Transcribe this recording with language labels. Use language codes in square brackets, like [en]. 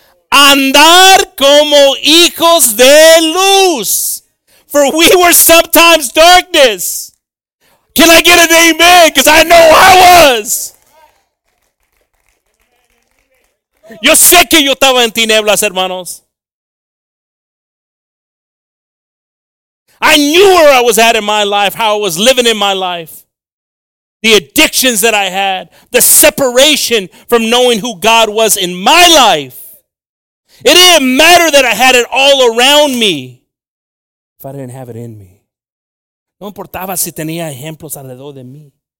[es] Andar como hijos de luz. [en] For we were sometimes darkness. Can I get an amen? Because I know I was. [es] Yo sé que yo estaba en tinieblas, hermanos. [en] I knew where I was at in my life, how I was living in my life. The addictions that I had. The separation from knowing who God was in my life. It didn't matter that I had it all around me. If I didn't have it in me. [es] No importaba si tenía ejemplos alrededor de mí.